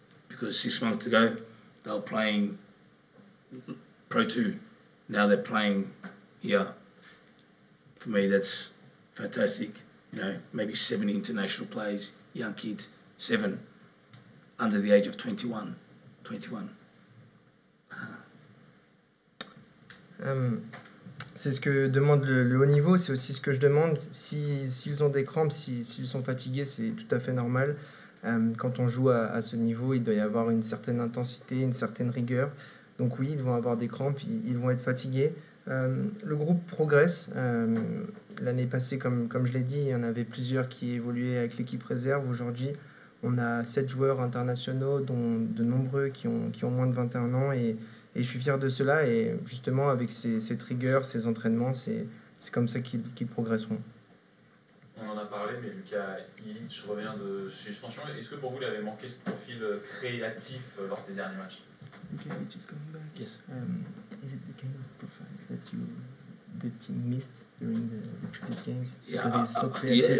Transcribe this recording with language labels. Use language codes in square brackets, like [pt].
[en] Because 6 months ago, they were playing Pro 2. Now they're playing here. For me, that's fantastic. You know, maybe 70 international players, young kids, 7, under the age of 21. [fr] C'est ce que demande le haut niveau, c'est aussi ce que je demande. S'ils ont des crampes, s'ils sont fatigués, c'est tout à fait normal. Quand on joue à ce niveau, il doit y avoir une certaine intensité, une certaine rigueur. Donc oui, ils vont avoir des crampes, ils vont être fatigués. Le groupe progresse. L'année passée, comme je l'ai dit, il y en avait plusieurs qui évoluaient avec l'équipe réserve. Aujourd'hui, on a 7 joueurs internationaux, dont de nombreux qui ont moins de 21 ans. Et je suis fier de cela. Et justement, avec ces triggers, ces entraînements, c'est comme ça qu'ils progresseront. On en a parlé, mais Lucas revient de suspension. Est-ce que pour vous, il avait manqué ce profil créatif lors des derniers matchs? [en] Okay, it is coming back. Yes. Is it the kind of profile that the team missed during the previous games?